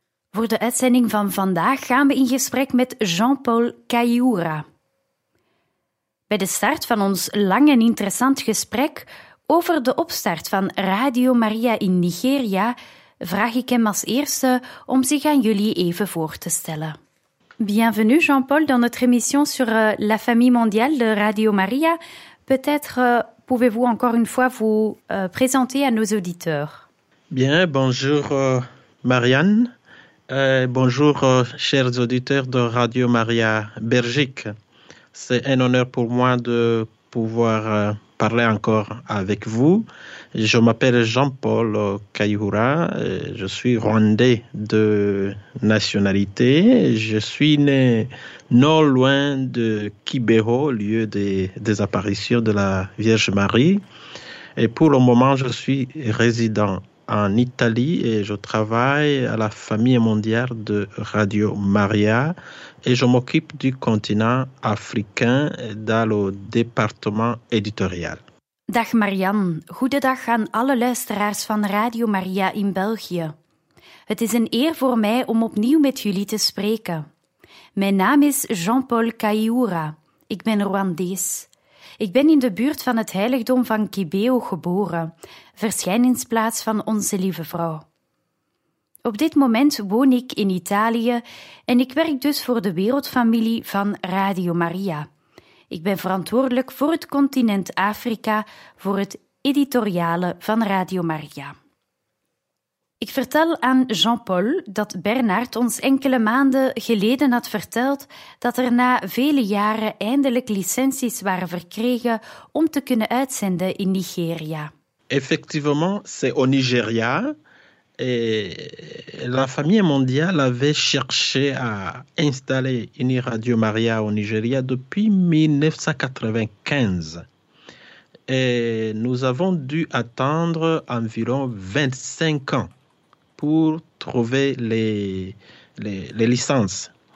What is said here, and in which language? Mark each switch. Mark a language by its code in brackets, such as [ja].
[nl] Voor de uitzending van vandaag gaan we in gesprek met Jean-Paul Kayoura. Bij de start van ons lang en interessant gesprek over de opstart van Radio Maria in Nigeria vraag ik hem als eerste om zich aan jullie even voor te stellen. [fr] Bienvenue Jean-Paul dans notre émission sur la famille mondiale de Radio Maria. Peut-être pouvez-vous encore une fois vous présenter à nos auditeurs. Bien, bonjour Marianne. Bonjour chers auditeurs de Radio Maria Belgique. C'est un honneur pour moi de pouvoir parler encore avec vous. Je m'appelle Jean-Paul Kayoura. Je suis Rwandais de nationalité. Je suis né non loin de Kibeho, lieu des apparitions de la Vierge Marie. Et pour le moment, je suis résident en Italie et je travaille à la famille mondiale de Radio Maria et je m'occupe du continent africain dans le département éditorial. [nl] Dag Marianne, goedendag aan alle luisteraars van Radio Maria in België. Het is een eer voor mij om opnieuw met jullie te spreken. Mijn naam is Jean-Paul Kayoura. Ik ben Rwandees. Ik ben in de buurt van het heiligdom van Kibeho geboren, verschijningsplaats van Onze Lieve Vrouw. Op dit moment woon ik in Italië en ik werk dus voor de wereldfamilie van Radio Maria. Ik ben verantwoordelijk voor het continent Afrika, voor het editoriale van Radio Maria. Ik vertel aan Jean-Paul dat Bernard ons enkele maanden geleden had verteld dat er na vele jaren eindelijk licenties waren verkregen om te kunnen uitzenden in Nigeria. [fr] Effectivement, c'est au Nigeria. Et la famille mondiale avait cherché à installer une Radio Maria au Nigeria depuis 1995. Et nous avons dû attendre environ 25 ans pour trouver les licences.